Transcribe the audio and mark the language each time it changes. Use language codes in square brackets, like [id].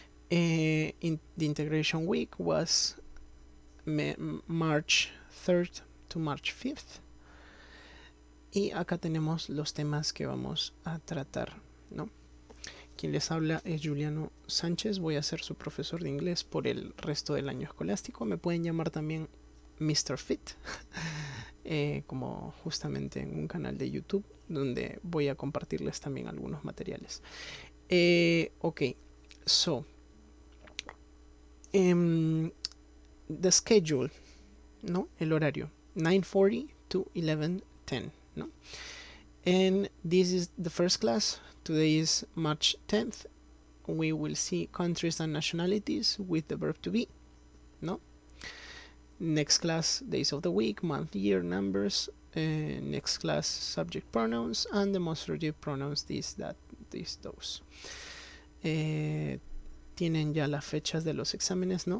[en] In the integration week was March 3rd to March 5th. [es] Y acá tenemos los temas que vamos a tratar, ¿no? Quien les habla es Juliano Sánchez. Voy a ser su profesor de inglés por el resto del año escolástico. Me pueden llamar también Mr. Fit, como justamente en un canal de YouTube, donde voy a compartirles también algunos materiales. [en] Ok, so. The schedule, ¿no? [es] El horario, 9:40 to 11:10, ¿no? [en] And this is the first class. Today is March 10th. We will see countries and nationalities with the verb to be, ¿no? Next class, days of the week, month, year, numbers. Next class, subject pronouns and demonstrative pronouns, this, that, this, those. [es] Tienen ya las fechas de los exámenes, ¿no?